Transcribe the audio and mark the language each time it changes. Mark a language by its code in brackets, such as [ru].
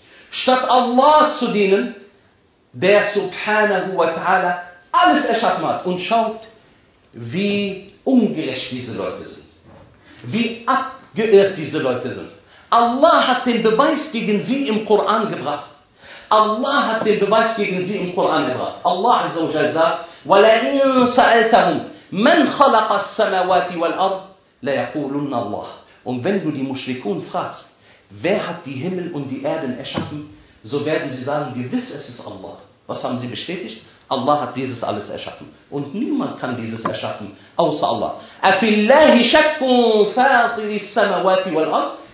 [de] Statt Allah zu dienen, der subhanahu wa ta'ala alles erschaffen hat. Und schaut, wie ungerecht diese Leute sind. Wie abgeirrt diese Leute sind. Allah hat den Beweis gegen sie im Koran gebracht. Allah hat den Beweis gegen sie im Koran gebracht. Allah azza wa jalla sagt, [ar] وَلَئِن سَأَلْتَهُمْ مَنْ خَلَقَ السَّمَوَاتِ وَالْأَرْضِ لَيَقُولُنَّ اللَّهِ. [de] Und wenn du die Mushrikun fragst, wer hat die Himmel und die Erden erschaffen? So werden sie sagen, gewiss, es ist Allah. Was haben sie bestätigt? Allah hat dieses alles erschaffen. Und niemand kann dieses erschaffen, außer Allah. [ar] أَفِلَّهِ شَكٌ فَاطِرِ السَّمَوَاتِ وَالْأَرْضِ.